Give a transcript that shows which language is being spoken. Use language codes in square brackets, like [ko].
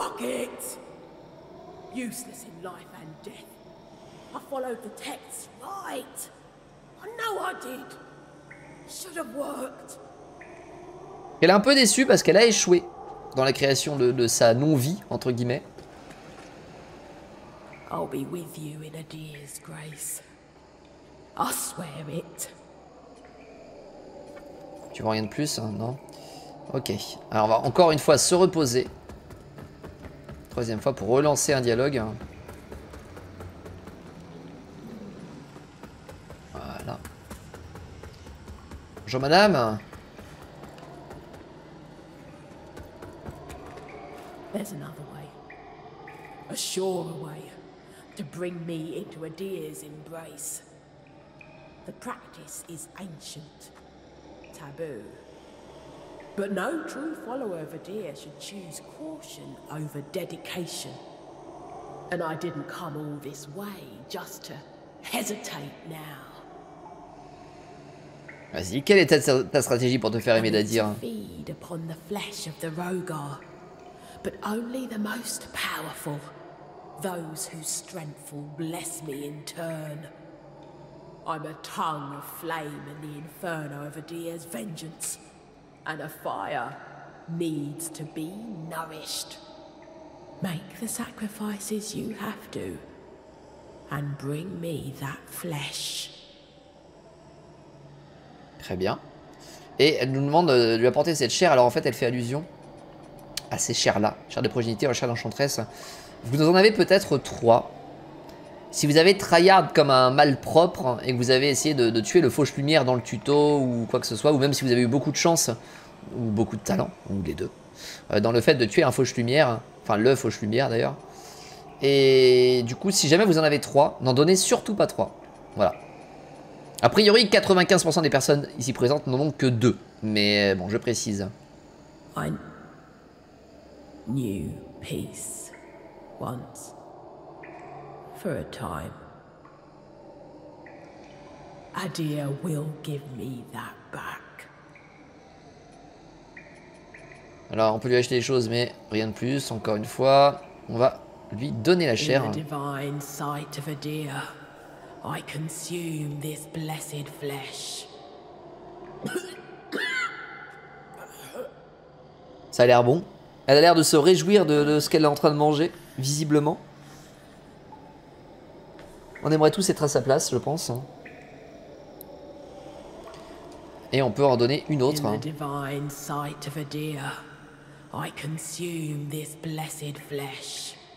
[en] Fuck it! Useless in life and death. I followed the text right. I know I did. Should have worked. [fr] Elle est un peu déçue parce qu'elle a échoué dans la création de sa non-vie, entre guillemets. [en] I'll be with you in a day's grace. I swear it. [fr] Tu vois rien de plus, hein? Non? Ok. Alors on va encore une fois se reposer. Troisième fois pour relancer un dialogue. Voilà. Bonjour madame. [en] There's another way. A sure way. To bring me into a deer's embrace. The practice is ancient. Taboo. But no true follower of a deer should choose caution over dedication. And I didn't come all this way just to hesitate now. [fr] Vas-y, quelle est ta stratégie pour te faire aimer d'adir? [en] To feed upon the flesh of the Rogar. But only the most powerful, those whose strength will bless me in turn. I'm a tongue of flame in the inferno of a deer's vengeance, and a fire needs to be nourished. Make the sacrifices you have to, and bring me that flesh. [fr] Très bien. Et elle nous demande de lui apporter cette chair, alors en fait elle fait allusion. À ces chairs-là, chair de progéniture, chair d'enchantresse. Vous en avez peut-être trois. Si vous avez tryhard comme un malpropre et que vous avez essayé de tuer le fauche-lumière dans le tuto ou quoi que ce soit, ou même si vous avez eu beaucoup de chance ou beaucoup de talent, ou les deux, dans le fait de tuer un fauche-lumière, enfin le fauche-lumière d'ailleurs. Et du coup, si jamais vous en avez trois, n'en donnez surtout pas trois. Voilà. A priori, 95% des personnes ici présentes n'en ont que deux. Mais bon, je précise. [en] Fine. New peace, once, for a time. Adir will give me that back. [fr] Alors, on peut lui acheter des choses, mais rien de plus. Encore une fois, on va lui donner la chair. [en] In the divine sight of Adir, I consume this blessed flesh. [fr] Ça a l'air bon. Elle a l'air de se réjouir de ce qu'elle est en train de manger, visiblement. On aimerait tous être à sa place, je pense. Et on peut en donner une autre. [en] In the divine sight of a deer, I consume this blessed flesh.